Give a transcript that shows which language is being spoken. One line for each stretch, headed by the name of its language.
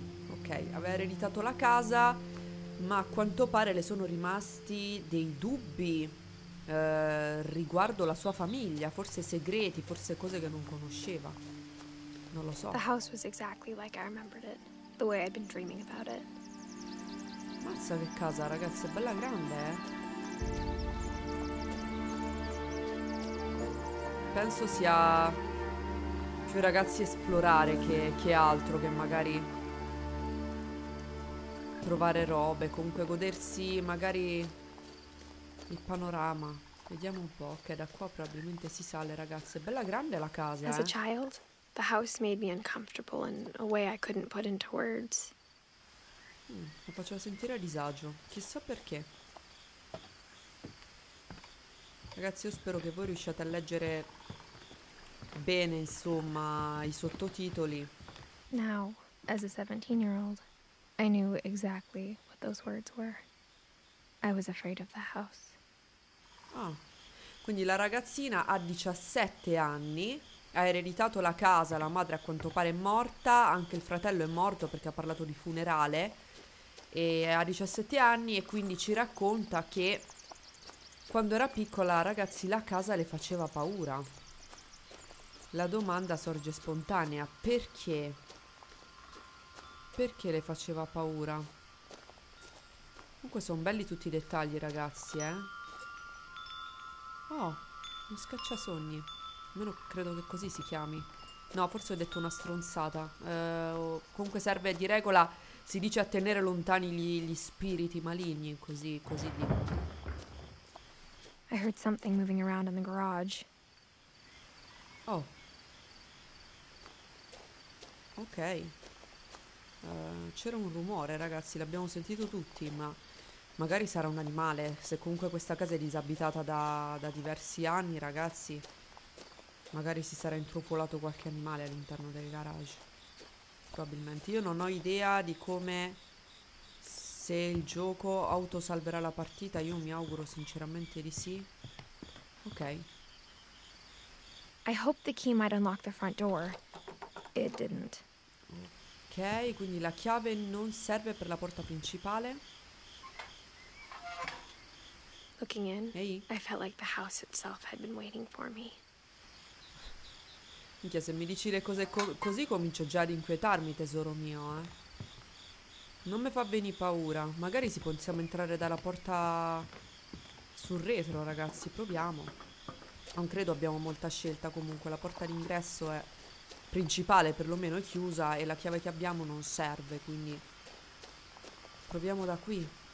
Italian: Ok, aveva ereditato la casa, ma a quanto pare le sono rimasti dei dubbi riguardo la sua famiglia, forse segreti, forse cose che non conosceva. Non lo so.
English: The house was exactly like I remembered it, the way I'd been dreaming about it.
Italian: Mazza che casa, ragazzi, è bella grande, eh? Penso sia più ragazzi esplorare che altro, che magari trovare robe, comunque godersi magari il panorama. Vediamo un po', che da qua probabilmente si sale, ragazze. Bella grande la casa,
English: eh? As a child, the house made me uncomfortable in a way I couldn't put into words.
Italian: Mi faceva sentire a disagio, chissà perché. Ragazzi, io spero che voi riusciate a leggere bene, insomma, i sottotitoli.
English: Now, as a 17-year-old, I knew exactly what those words were. I was afraid of the house.
Italian: Ah, quindi la ragazzina ha 17 anni, ha ereditato la casa, la madre a quanto pare è morta, anche il fratello è morto perché ha parlato di funerale, e ha 17 anni e quindi ci racconta che quando era piccola, ragazzi, la casa le faceva paura. La domanda sorge spontanea: perché? Perché le faceva paura? Comunque sono belli tutti i dettagli, ragazzi, eh? Oh, un scacciasogni. Almeno credo che così si chiami. No, forse ho detto una stronzata. Comunque serve di regola, si dice, a tenere lontani gli spiriti maligni, così, così di...
English: I heard something moving around in the garage. Oh. Ok.
Italian: C'era un rumore, ragazzi, l'abbiamo sentito tutti, ma magari sarà un animale. Se comunque questa casa è disabitata da diversi anni, ragazzi, magari si sarà intrufolato qualche animale all'interno del garage. Probabilmente. Io non ho idea di come... Se il gioco autosalverà la partita, io mi auguro sinceramente di sì. Ok.
English: I hope the key might unlock the front door. It didn't.
Italian: Ok, quindi la chiave non serve per la porta principale.
English: Looking in, I felt like the house itself had been waiting for me.
Italian: Minchia, se mi dici le cose così comincio già ad inquietarmi, tesoro mio, eh. Non mi fa venire paura. Magari si possiamo entrare dalla porta sul retro, ragazzi. Proviamo. Non credo abbiamo molta scelta comunque. La porta d'ingresso è principale, perlomeno è chiusa, e la chiave che abbiamo non serve, quindi proviamo da qui.